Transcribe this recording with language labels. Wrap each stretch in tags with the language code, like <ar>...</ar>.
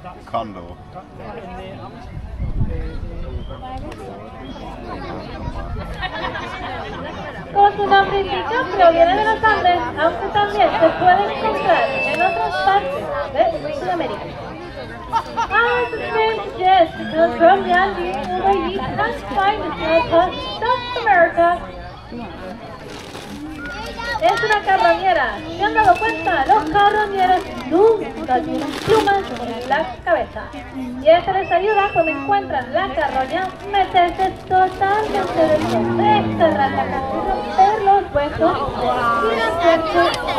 <es>Condor. Con su nombre indica, proviene de los Andes, aunque también se puede encontrar en otras partes de América.</es> <en>As the name suggests, it comes from the Andes, where you can find it in South America.</en> <es>Es una carroñera. ¿Se han dado cuenta? Los carroñeros nunca tienen plumas en la cabeza. Y esto les ayuda cuando encuentran la carroña, meterse totalmente dentro de la carroña, romper los huesos y hacerse.</es>